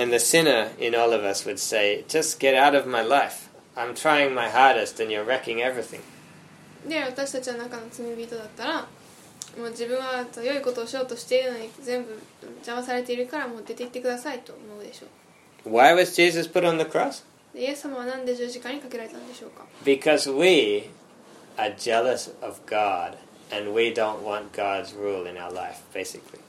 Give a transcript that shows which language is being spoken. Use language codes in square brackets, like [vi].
[en] And the sinner in all of us would say, just get out of my life. I'm trying my hardest and you're wrecking everything. [ja] で、私たちの中の罪人だったら、もう自分は良いことをしようとしているのに全部邪魔されているから、もう出て行ってくださいと思うでしょう。 [en] Why was Jesus put on the cross? [ja] イエス様はなんで十字架にかけられたんでしょうか。 [en] Because we are jealous of God and we don't want God's rule in our life, basically.